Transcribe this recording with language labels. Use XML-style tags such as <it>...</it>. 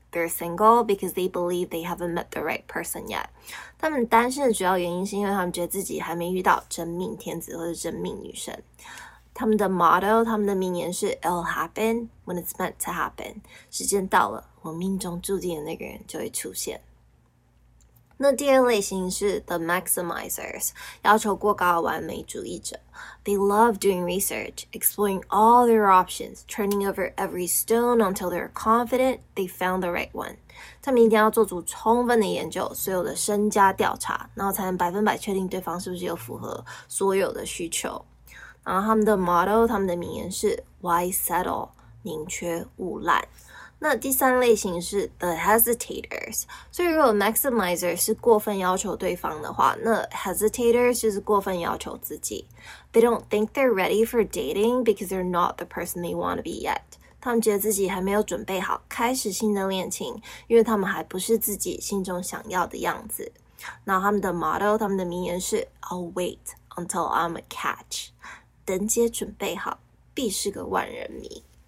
<en>They're single because they believe they haven't met the right person yet。</en> <zh>他们单身的主要原因是因为他们觉得自己还没遇到真命天子或者真命女神。他们的 motto， 他们的名言是</zh> <en>It'll happen when it's meant to happen，</en> <zh>时间到了，我命中注定的那个人就会出现。那第二类型是 the maximizers， 要求过高的完美主义者。</zh> <en>They love doing research, exploring all their options, turning over every stone until they're confident they found the right one.</en> <zh>他们一定要做足充分的研究，所有的身家调查，然后才能百分百确定对方是不是有符合所有的需求。然后他们的 motto， 他们的名言是</zh> <en>Why settle？</en> <zh>宁缺毋滥。那第三类型是 the hesitators， 所以如果 maximizer 是过分要求对方的话，那 hesitators 就是过分要求自己。</zh> <en>They don't think they're ready for dating because they're not the person they want to be yet。</en> <zh>他们觉得自己还没有准备好开始新的恋情，因为他们还不是自己心中想要的样子。那他们的 motto， 他们的名言是</zh> <en>I'll wait until I'm a catch。</en> <zh>等姐准备好，必是个万人迷。</zh>